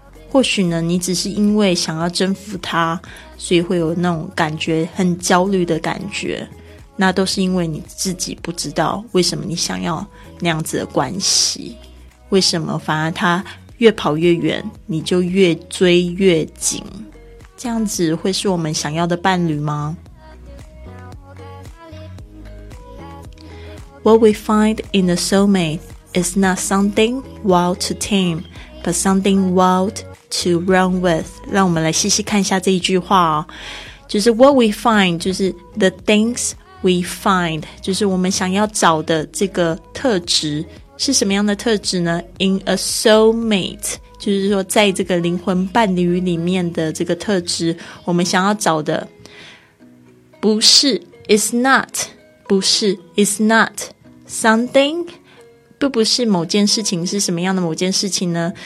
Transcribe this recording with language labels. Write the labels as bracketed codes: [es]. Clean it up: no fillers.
[zh] 或许呢，你只是因为想要征服他，所以会有那种感觉很焦虑的感觉，那都是因为你自己不知道为什么你想要那样子的关系，为什么反而他越跑越远，你就越追越紧，这样子会是我们想要的伴侣吗？ [en] What we find in the soulmate is not something wild to tame, but something wildto run with. [zh] 让我们来细细看一下这一句话哦，就是 [en] what we find, [zh] 就是 [en] the things we find, [zh] 就是我们想要找的这个特质是什么样的特质呢？ [en] in a soulmate, [zh] 就是说在这个灵魂伴侣里面的这个特质，我们想要找的不是 is not, 不是 [en] is not something, [zh] 不是某件事情，是什么样的某件事情呢？